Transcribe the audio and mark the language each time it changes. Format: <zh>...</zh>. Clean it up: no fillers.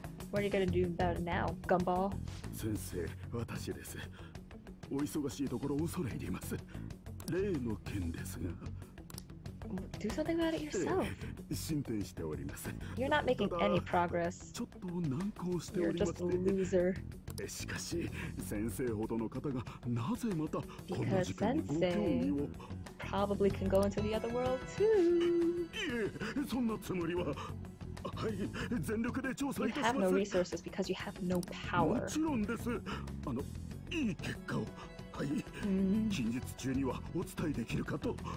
<en>What are you gonna do about it now, Gumball?</en> <ja>先生、私です。お忙しいところ恐れ入ります。例の件ですが。</ja> <en>Do something about it yourself.</en> <ja>進展しております。</ja> <en>You're not making any progress.</en> <ja>ちょっと難航しております。</ja> <en>You're just a loser.</en> <ja>しかし、先生ほどの方がなぜまたこの時間にご興味を。</ja> <en>Probably can go into the other world too.</en> <ja>そんなつもりは。はい、全力で調査いたします。</ja> <en>You have no resources because you have no power.</en> <ja>もちろんです。あの、いい結果を。はい、近日中にはお伝えできるかと。</ja>